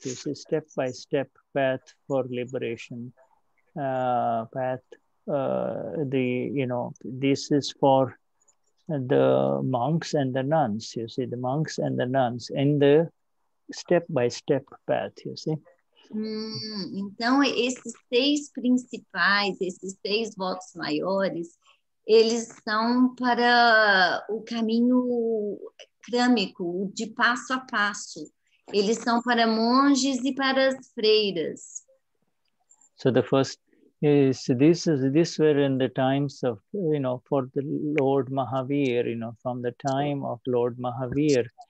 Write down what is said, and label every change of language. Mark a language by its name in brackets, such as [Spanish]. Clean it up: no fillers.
[English] This is step-by-step path for liberation path. This is for the monks and the nuns, you see, the monks and the nuns in the step-by-step path, you see. [Portuguese] Então, esses seis principais, esses seis votos maiores, eles são para o caminho crâmico, de passo a passo. Eles são para monges e para as freiras. [English] So the first Yes, this were in the times of, you know, for the Lord Mahavir, you know, from the time of Lord Mahavir.